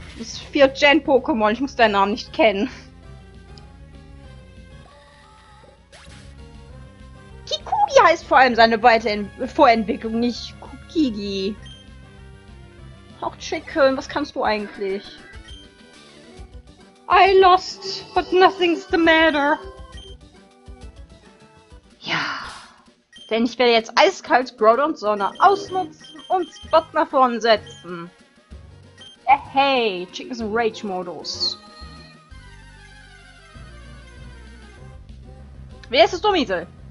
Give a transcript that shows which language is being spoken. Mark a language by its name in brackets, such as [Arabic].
[German] Das ist 4th-Gen-Pokémon. Ich muss deinen Namen nicht kennen. Heißt vor allem seine Vorentwicklung, nicht Kukigi. Auch Chicken, was kannst du eigentlich? [English] I lost, but nothing's the matter. [German] Ja, denn ich werde jetzt eiskalt Groudon und Sonne ausnutzen und Spot nach vorne setzen. Hey, Chicken's in Rage-Modus. Wer ist das Dummiesel?